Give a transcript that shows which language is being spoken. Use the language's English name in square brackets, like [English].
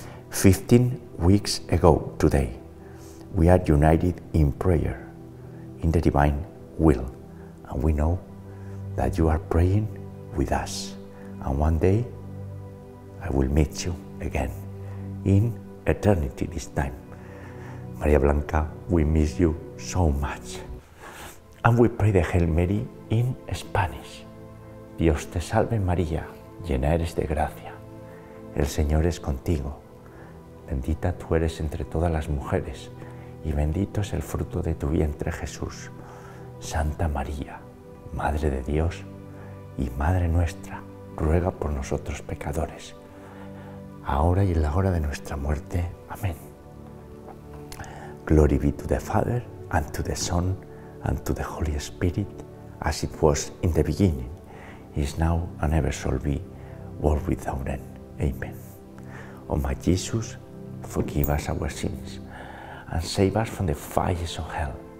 [English] 15 weeks ago today, we are united in prayer, in the divine will, and we know that you are praying with us. And one day, I will meet you again in eternity this time. Maria Blanca, we miss you so much. And we pray the Hail Mary in Spanish. [Spanish] Dios te salve María, llena eres de gracia. El Señor es contigo. Bendita tú eres entre todas las mujeres y bendito es el fruto de tu vientre Jesús. Santa María, Madre de Dios y Madre nuestra, ruega por nosotros pecadores, ahora y en la hora de nuestra muerte. Amén. [English] Glory be to the Father, and to the Son, and to the Holy Spirit, as it was in the beginning, is now, and ever shall be, world without end. Amen. O my Jesus, forgive us our sins, and save us from the fires of hell.